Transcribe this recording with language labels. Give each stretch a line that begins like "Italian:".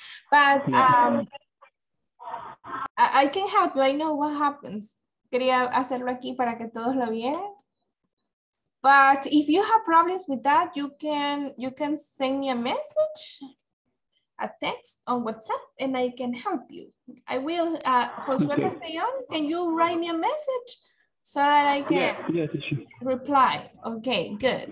English: But I can help you. I know what happens.
Spanish: Quería hacerlo aquí para que todos lo vieran.
English: But if you have problems with that, you can send me a message, a text on WhatsApp, and I can help you. I will, Josué Castellón, can you write me a message so that I can reply? Okay, good.